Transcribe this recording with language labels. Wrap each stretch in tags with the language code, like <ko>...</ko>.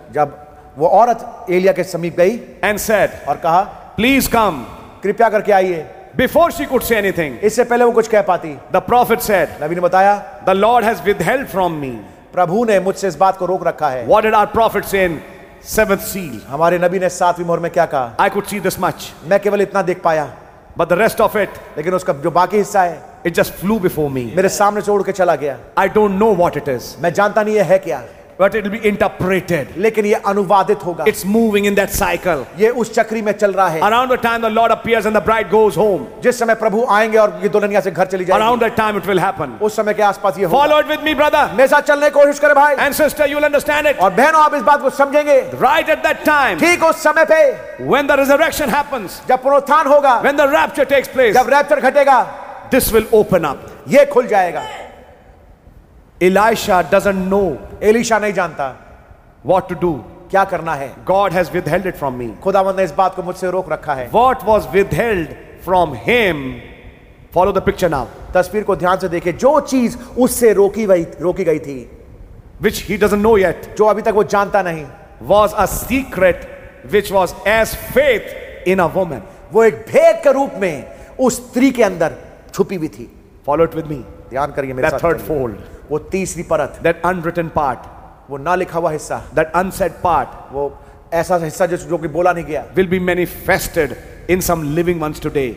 <hi>जब वो औरत एलिया के समीप गई,</hi> <en>and said,</en> <hi>और कहा,</hi> <en>please come.</en> <hi>कृपया करके आइए.</hi> <en>Before she could say anything,</en> <hi>इससे पहले वो कुछ कह पाती.</hi> <en>The prophet said,</en> <hi>नबी ने बताया,</hi> <en>the Lord has withheld from me.</en> <hi>प्रभु ने मुझसे इस बात को रोक रखा है.</hi> <en>What did our prophet say in seventh seal?</en> <hi>हमारे नबी ने सातवीं मोहर में क्या कहा?</hi> <en>I could see this much.</en> <hi>मैं केवल इतना देख पाया.</hi> <en>But the rest of it,</en> <hi>लेकिन उसका जो बाकी हिस्सा है,</hi> <en>it just flew before me.</en> <hi>मेरे सामने से उड़ के चला गया.</hi> <en>I don't know what it is.</en> <hi>मैं जानता नहीं ये है क्या.</hi> <en>But it will be interpreted.</en> <hi>लेकिन ये अनुवादित होगा.</hi> <en>It's moving in that cycle.</en> <hi>ये उस चक्री में चल रहा है.</hi> <en>Around the time the Lord appears and the bride goes home.</en> <hi>जिस समय प्रभु आएंगे और ये दुल्हनिया से घर चली जाएगी.</hi> <en>Around that time it will happen.</en> <hi>उस समय के आसपास ये होगा.</hi> <en>Follow it with me, brother.</en> <hi>मेरे साथ चलने कोशिश करें भाई.</hi> <en>And sister, you'll understand it.</en> <hi>और बहनों आप इस बात को समझेंगे.</hi> <en>Right at that time.</en> <hi>ठीक उस समय पे.</hi> <en>When the resurrection happens.</en> <hi>जब पुनरुत्थान होगा.</hi> <en>When the rapture takes place.</en> <hi>जब रैप्चर घटेगा.</hi> <en>This will open up.</en> <hi>ये खुल जाएगा.</hi> <en>Elisha doesn't know.</en> <hi>Elisha नहीं जानता.</hi> <en>What to do?</en> <hi>क्या करना है?</hi> <en>God has withheld it from me.</en> <hi>खुदावंद ने इस बात को मुझसे रोक रखा है.</hi> <en>What was withheld from him? Follow the picture now.</en> <hi>तस्वीर को ध्यान से देखें. जो चीज उससे रोकी गई थी.</hi> <en>Which he doesn't know yet.</en> <hi>जो अभी तक वो जानता नहीं.</hi> <en>Was a secret which was as faith in a woman.</en> <hi>वो एक भेद के रूप में उस स्त्री के अंदर छुपी हुई थी.</hi> <en>follow it with me,</en> <hi>ध्यान करिए मेरे साथ.</hi> <en>third fold,</en> <hi>वो तीसरी परत.</hi> <en>that unwritten part,</en> <hi>वो ना लिखा हुआ हिस्सा.</hi> <en>that unsaid part,</en> <hi>वो ऐसा हिस्सा जो कि बोला नहीं गया.</hi> <en>Will be manifested in some living ones today.</en>